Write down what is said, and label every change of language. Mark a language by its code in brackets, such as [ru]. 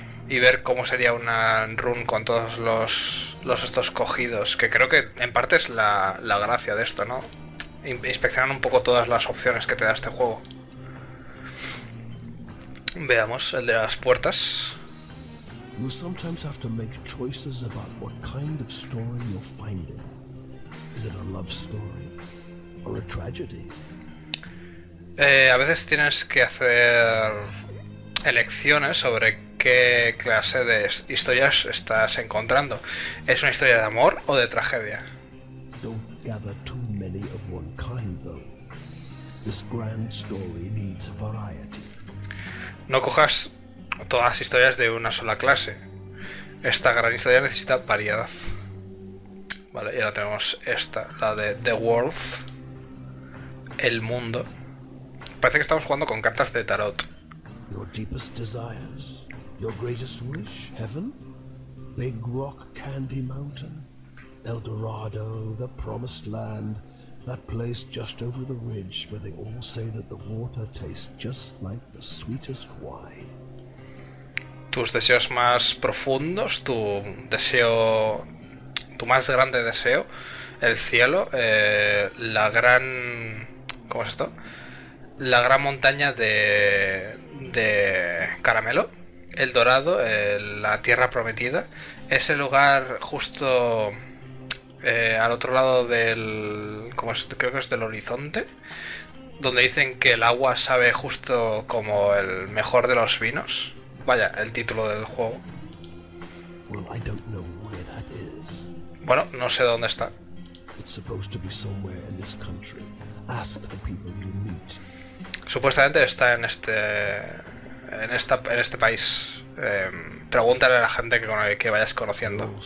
[es] Y ver cómo sería una run con todos los estos cogidos. Que creo que en parte es la gracia de esto, ¿no? Inspeccionar un poco todas las opciones que te da este juego. Veamos el de las puertas. [en] You sometimes have to make choices about what kind of story you're finding. Is it a love story or a tragedy? [es] A veces tienes que hacer elecciones sobre qué clase de historias estás encontrando. ¿Es una historia de amor o de tragedia? [en] Don't gather too many of one kind. This grand story needs variety. [es] No cojas todas las historias de una sola clase. Esta gran historia necesita variedad. Vale, y ahora tenemos esta, la de The World. El mundo. Parece que estamos jugando con cartas de tarot. [en] Your deepest desires, your greatest wish, heaven, Big Rock Candy Mountain, El Dorado, the promised land, that place just over the ridge where they all say that the water tastes just like the sweetest wine. [es] Tus deseos más profundos, tu deseo, tu más grande deseo, el cielo, la gran, ¿cómo es esto? La gran montaña de caramelo, El Dorado, la tierra prometida, ese lugar justo al otro lado del, ¿cómo es? Creo que es del horizonte, donde dicen que el agua sabe justo como el mejor de los vinos. Vaya, el título del juego. [en] Well, I don't know where that is. [es] Bueno, no sé dónde está. [en] It's supposed to be somewhere in this country. Ask the people you meet. [es] Supuestamente está en este, en esta, en este país. Pregúntale a la gente que, con el que vayas conociendo.